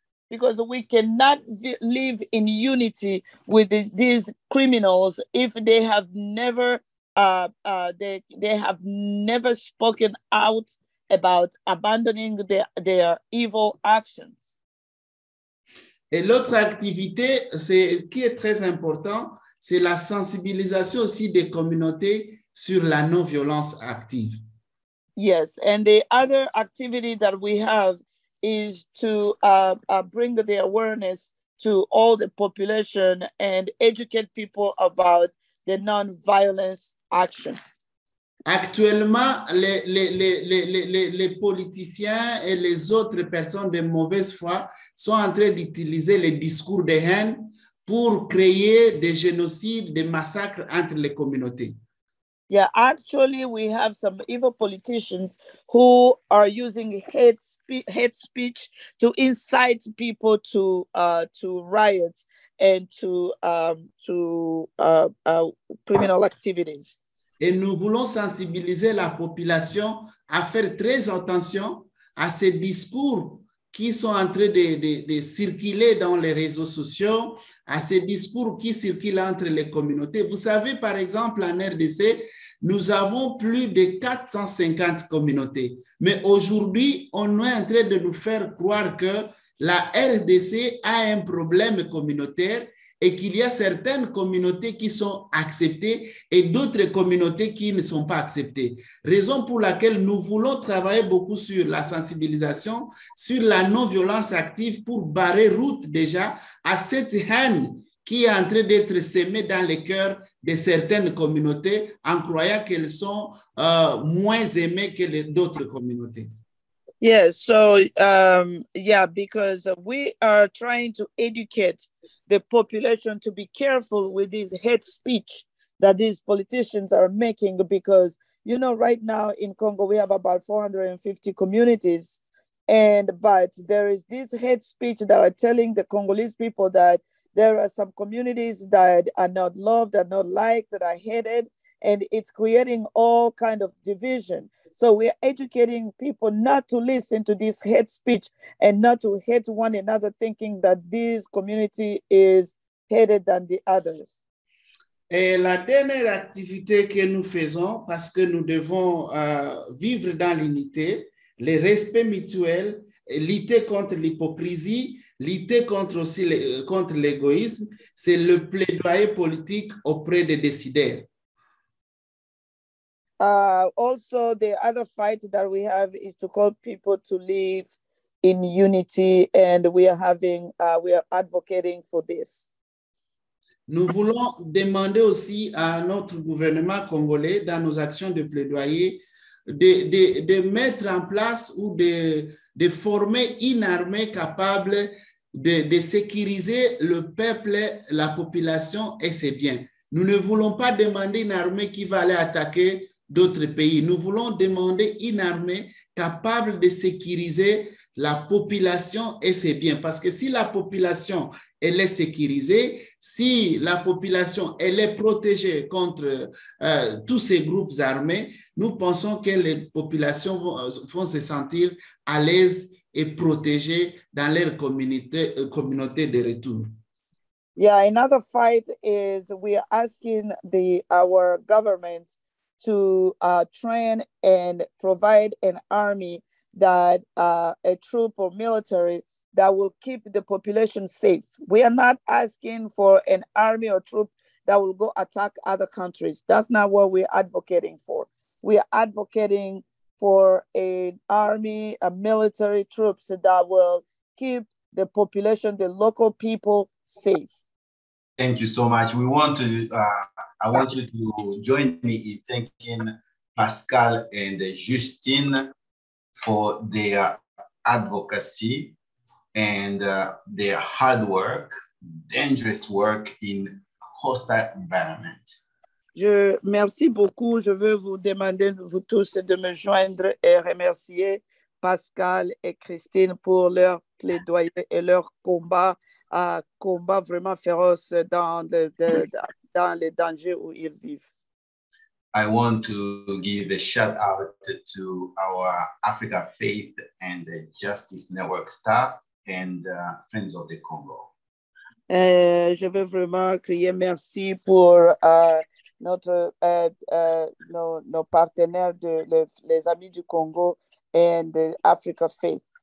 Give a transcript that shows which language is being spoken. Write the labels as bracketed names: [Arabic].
[English] Because we cannot live in unity with these criminals if they have never they have never spoken out about abandoning their evil actions. [French] Et l'autre activité, c'est qui est très important, c'est la sensibilisation aussi des communautés sur la non-violence active. [English] Yes, and the other activity that we have is to bring the awareness to all the population and educate people about the non-violence actions. [French] Actuellement, les politiciens et les autres personnes de mauvaise foi sont en train d'utiliser les discours de haine pour créer des génocides, des massacres entre les communautés. [English] Yeah, actually, we have some evil politicians who are using hate speech to incite people to riots and to criminal activities. [French] Et nous voulons sensibiliser la population à faire très attention à ces discours qui sont en train de circuler dans les réseaux sociaux, à ces discours qui circulent entre les communautés. Vous savez, par exemple, en RDC, nous avons plus de 450 communautés. Mais aujourd'hui, on est en train de nous faire croire que la RDC a un problème communautaire et qu'il y a certaines communautés qui sont acceptées et d'autres communautés qui ne sont pas acceptées. Raison pour laquelle nous voulons travailler beaucoup sur la sensibilisation, sur la non-violence active pour barrer route déjà à cette haine qui est en train d'être semée dans les cœurs de certaines communautés en croyant qu'elles sont moins aimées que d'autres communautés. [English] Yes, so, because we are trying to educate the population to be careful with this hate speech that these politicians are making, because, you know, right now in Congo, we have about 450 communities. But there is this hate speech that are telling the Congolese people that there are some communities that are not loved, are not liked, that are hated, and it's creating all kind of division. So we're educating people not to listen to this hate speech and not to hate one another, thinking that this community is hated than the others. [French] Et la dernière activité que nous faisons, parce que nous devons vivre dans l'unité, le respect mutuel, lutter contre l'hypocrisie, lutter contre aussi contre l'égoïsme, c'est le plaidoyer politique auprès des décideurs. [English] Also, the other fight that we have is to call people to live in unity, and we are advocating for this. [French] Nous voulons demander aussi à notre gouvernement congolais, dans nos actions de plaidoyer, de mettre en place ou de former une armée capable de sécuriser le peuple, la population et ses biens. Nous ne voulons pas demander une armée qui va aller attaquer d'autres pays. Nous voulons demander une armée capable de sécuriser la population et ses biens. Parce que si la population, elle est sécurisée, si la population, elle est protégée contre tous ces groupes armés, nous pensons que les populations vont se sentir à l'aise et protégées dans leur communauté de retour. [English] Yeah, another fight is we are asking our government to train and provide an army that a troop or military that will keep the population safe. We are not asking for an army or troop that will go attack other countries. That's not what we're advocating for. We are advocating for an army, a military troops that will keep the population, the local people safe. Thank you so much. I want you to join me in thanking Pascal and Justine for their advocacy and their hard work, dangerous work in hostile environment. [French] Je merci beaucoup. Je veux vous demander vous tous de me joindre et remercier Pascal et Christine pour leur plaidoyer et leur combat vraiment féroce dans les dangers où ils vivent. [English] I want to give a shout out to our Africa Faith and the Justice Network staff and friends of the Congo. [French] Je veux vraiment crier merci pour nos partenaires de les amis du Congo [English] and the Africa Faith.